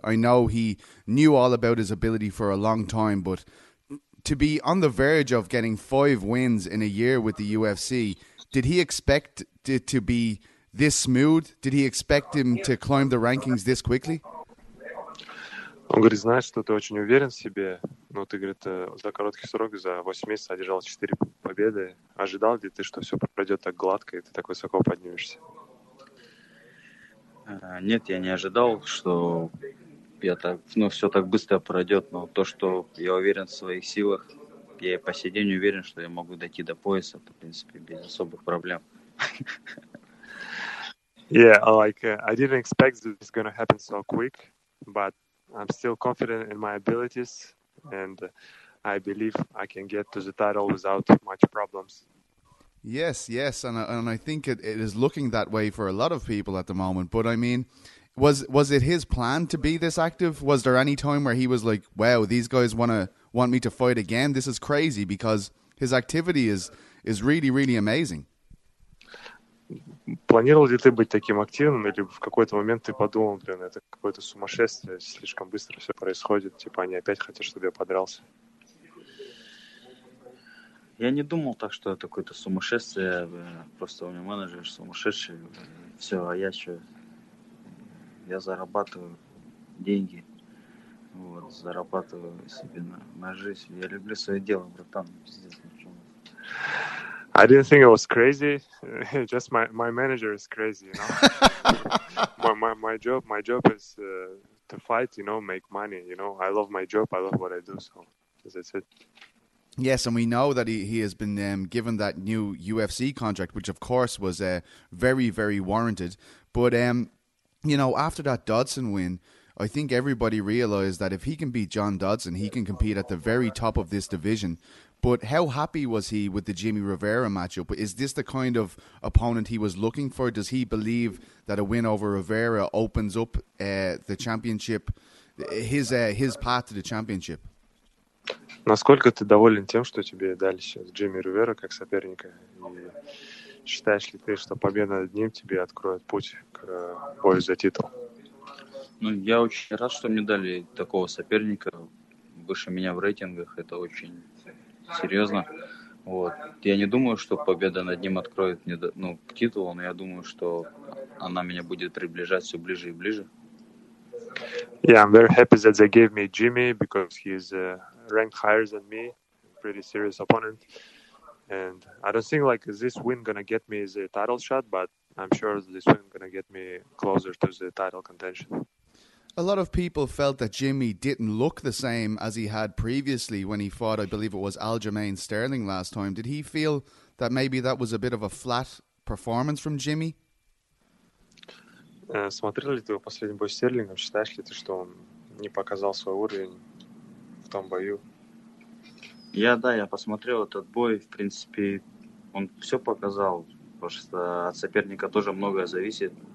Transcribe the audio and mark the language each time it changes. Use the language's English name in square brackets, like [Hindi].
[English] I know he knew all about his ability for a long time, but to be on the verge of getting 5 wins in a year with the UFC, did he expect it to be this smooth? Did he expect him to climb the rankings this quickly? [Russian] Он говорит, знаешь, что ты очень уверен в себе, но ты, говорит, за короткий срок, за 8 месяцев одержал 4 победы. Ожидал ли ты, что все пройдет так гладко, и ты так высоко поднимешься? Нет, я не ожидал, что все так быстро пройдет, но то, что я уверен в своих силах, я и по сей день уверен, что я могу дойти до пояса, в принципе, без особых проблем. [English] Yeah, like, I didn't expect that it's going to happen so quick, but I'm still confident in my abilities, and I believe I can get to the title without much problems. Yes, yes, and I think it is looking that way for a lot of people at the moment. But I mean, was it his plan to be this active? Was there any time where he was like, "Wow, these guys want me to fight again? This is crazy," because his activity is really, really amazing. [Russian] Планировал ли ты быть таким активным, или в какой-то момент ты подумал, блин, это какое-то сумасшествие, слишком быстро все происходит, типа они опять хотят, чтобы я подрался? Я не думал так, что это какое-то сумасшествие, просто у меня менеджер сумасшедший, все, а я что? Я зарабатываю деньги, вот, зарабатываю себе на жизнь, я люблю свое дело, братан, пиздец, ничего. [English] I didn't think it was crazy. Just my manager is crazy, you know. my job is to fight, you know, make money, you know. I love my job. I love what I do. So that's it. Yes, and we know that he has been given that new UFC contract, which of course was very, very warranted. But you know, after that Dodson win, I think everybody realized that if he can beat John Dodson, he can compete at the very top of this division. But how happy was he with the Jimmy Rivera matchup? Is this the kind of opponent he was looking for? Does he believe that a win over Rivera opens up the championship, his path to the championship? [Russian] Насколько ты доволен тем, что тебе дали сейчас Джимми Ривера как соперника? Считаешь ли ты, что победа над ним тебе откроет путь к бою за титул? Ну, я очень рад, что мне дали такого соперника выше меня в рейтингах. Это очень серьезно. Вот. Я не думаю, что победа над ним откроет мне, ну, к титулу, но я думаю, что она меня будет приближать все ближе и ближе. [English] Yeah, I'm very happy that they gave me Jimmy because he's ranked higher than me, pretty serious opponent. And I don't think like this win gonna get me the title shot, but I'm sure this win gonna get me closer to the title contention. A lot of people felt that Jimmy didn't look the same as he had previously when he fought, I believe it was Aljamain Sterling last time. Did he feel that maybe that was a bit of a flat performance from Jimmy? [Russian] Смотрел ли ты его последний бой с Стерлингом? Считаешь ли ты, что он не показал свой уровень в том бою? Я посмотрел этот бой. В принципе, он все показал, потому что от соперника тоже многое зависит.